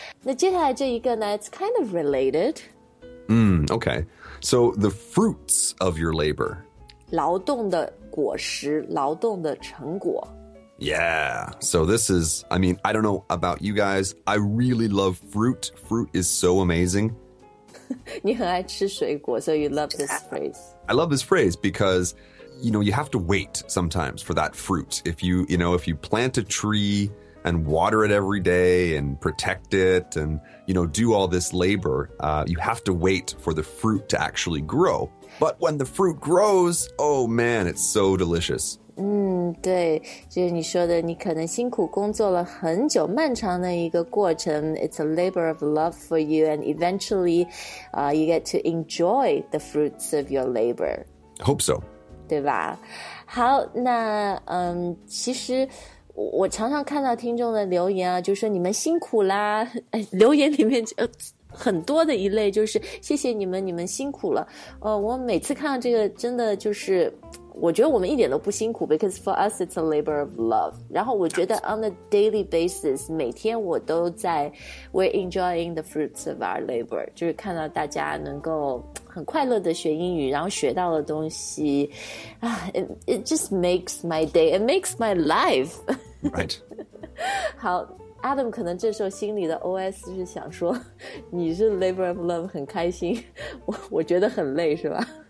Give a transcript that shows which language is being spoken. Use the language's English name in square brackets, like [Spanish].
[Chinese] 那接下来这一个呢 [English] it's kind of related. Okay. So the fruits of your labor. [Chinese] 劳动的果实，劳动的成果。 [English] Yeah, so this is, I mean, I don't know about you guys, I really love fruit. Fruit is so amazing. [Chinese] 你很爱吃水果, [English] so you love this phrase. I love this phrase because, you know, you have to wait sometimes for that fruit. If you, you know, if you plant a tree and water it every day and protect it and, you know, do all this labor, you have to wait for the fruit to actually grow. But when the fruit grows, oh man, it's so delicious. [Chinese] 对，就是你说的，你可能辛苦工作了很久，漫长的一个过程。 [English] It's a labor of love for you, and eventually, you get to enjoy the fruits of your labor. Hope so. [Chinese] 对吧？好，那其实我常常看到听众的留言啊，就是说你们辛苦啦。留言里面很多的一类就是谢谢你们，你们辛苦了。我每次看到这个，真的就是。我觉得我们一点都不辛苦 [English] because for us it's a labor of love. [Chinese] 然后我觉得 [English] on a daily basis, [Chinese] 每天我都在 [English] we're enjoying the fruits of our labor. [Chinese] 就是看到大家能够很快乐的学英语然后学到的东西 [English] it just makes my day, it makes my life. Right. [Chinese] 好 Adam 可能这时候心里的 OS 是想说你是 labor of love 很开心 我觉得很累是吧